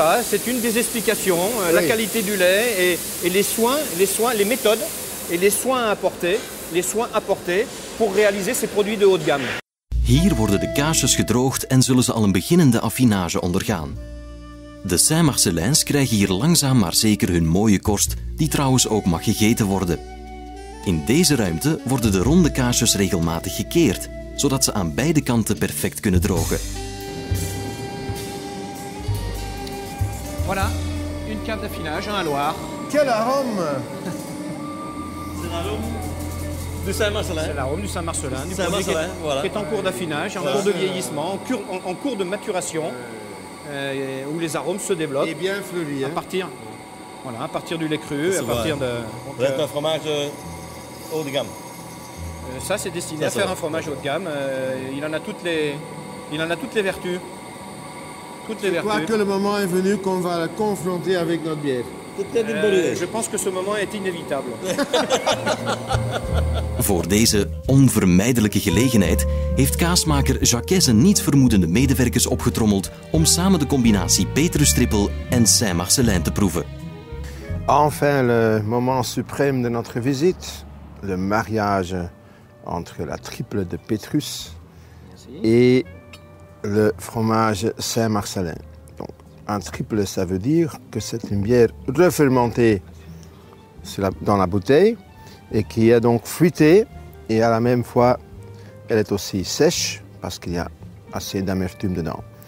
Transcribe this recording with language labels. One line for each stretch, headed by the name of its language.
French: C'est une des explications, oui. La qualité du lait et les soins apportés pour réaliser ces produits de haut de gamme.
Dutch: Hier worden de kaasjes gedroogd en zullen ze al een beginnende affinage ondergaan. De Saint-Marcellins krijgen hier langzaam maar zeker hun mooie korst, die trouwens ook mag gegeten worden. In deze ruimte worden de ronde kaasjes regelmatig gekeerd, zodat ze aan beide kanten perfect kunnen drogen.
French: Voilà, une cave d'affinage en Loire. Quel arôme! C'est l'arôme du Saint-Marcellin. C'est l'arôme du Saint-Marcellin. Du Saint-Marcellin, voilà. Qui est en cours d'affinage, en cours de vieillissement, en cours de maturation, où les arômes se développent. Et bien fleuri. À partir, voilà, à partir du lait cru, c'est à vrai. Partir de... Vous êtes un fromage... haut de gamme. Ça, c'est destiné à faire un fromage haut de gamme. Il en a toutes les vertus. Je crois que le moment est venu qu'on va la confronter avec notre bière. Je pense que ce moment est inévitable.
Dutch: Voor deze onvermijdelijke gelegenheid heeft kaasmaker Jacquet zijn niet vermoedende medewerkers opgetrommeld om samen de combinatie Petrus Trippel en Saint-Marcellin te proeven.
French: Enfin, le moment suprême de notre visite. Le mariage entre la triple de Petrus et le fromage Saint-Marcellin. Donc, un triple, ça veut dire que c'est une bière refermentée dans la bouteille et qui est donc fruitée et à la même fois, elle est aussi sèche parce qu'il y a assez d'amertume dedans.